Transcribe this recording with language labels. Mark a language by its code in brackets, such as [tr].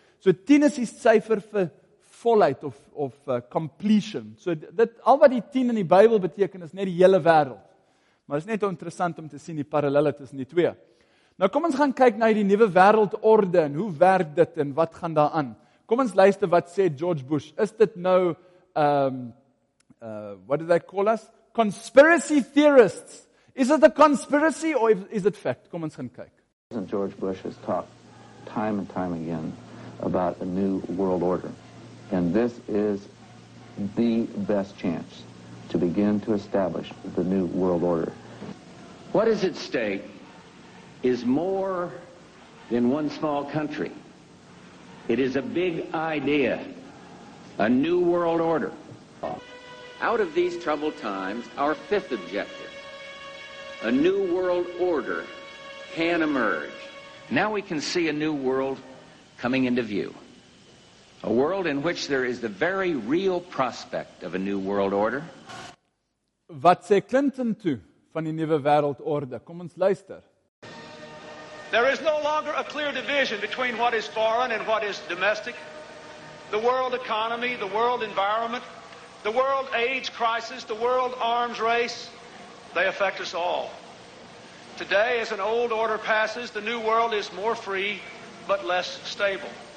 [af] So 10 is die syfer vir volheid of completion. So dit, al wat die 10 in die Bybel beteken is net die hele wêreld. Maar is net interessant om te sien die parallelle tussen die twee. Nou kom ons gaan kyk na die nuwe wêreldorde en hoe werk dit en wat gaan daar aan. Kom ons luister wat sê George Bush. Is dit nou, [en] what do they call us? Conspiracy theorists. Is it a conspiracy or is it fact? [af] Kom ons gaan kyk. [en] President George Bush has talked time and time again about a new world order. And this is the best chance to begin to establish the new world order. What is at stake is more than one small country. It is a big idea, a new world order. Out of these troubled times, our fifth objective, a new world order, can emerge. Now we can see a new world coming into view. A world in which there is the very real prospect of a new world order. [af] Wat sê Clinton toe van die nuwe wêreldorde? Kom ons luister. [en] There is no longer a clear division between what is foreign and what is domestic. The world economy, the world environment, the world AIDS crisis, the world arms race, they affect us all. Today, as an old order passes, the new world is more free but less stable.